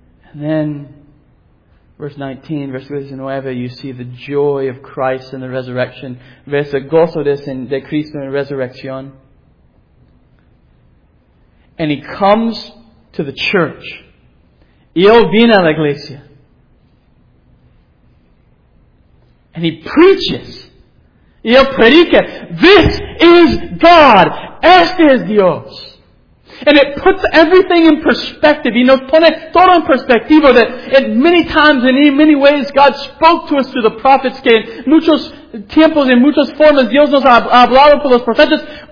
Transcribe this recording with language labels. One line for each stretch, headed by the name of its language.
English: And then, verse 19, verse 19, you see the joy of Christ in the resurrection.
Spanish: Ves el gozo de Cristo en la resurrección.
English: And He comes to the church.
Spanish: Y Él viene a la iglesia.
English: And He preaches.
Spanish: Y Él predica.
English: This is God.
Spanish: Este es Dios.
English: And it puts everything in perspective.
Spanish: Y nos pone todo en perspectivo
English: that in many times and in many ways God spoke to us through the prophets.
Spanish: Que en muchos tiempos y muchas formas Dios nos ha hablado por los profetas.